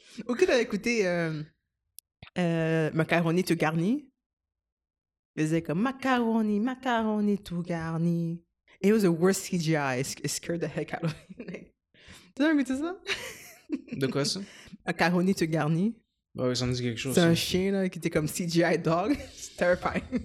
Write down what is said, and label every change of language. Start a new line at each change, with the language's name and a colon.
French: Ou que écouté Macaroni tout garni. Il faisait comme Macaroni, Macaroni tout garni.
English: It was the worst CGI. It scared the heck out of me.
French: Tu as écouté ça? De quoi ça? Macaroni tout garni. Bah oui, ça me dit quelque chose. C'est un chien là, qui était comme CGI dog. C'est terrifying.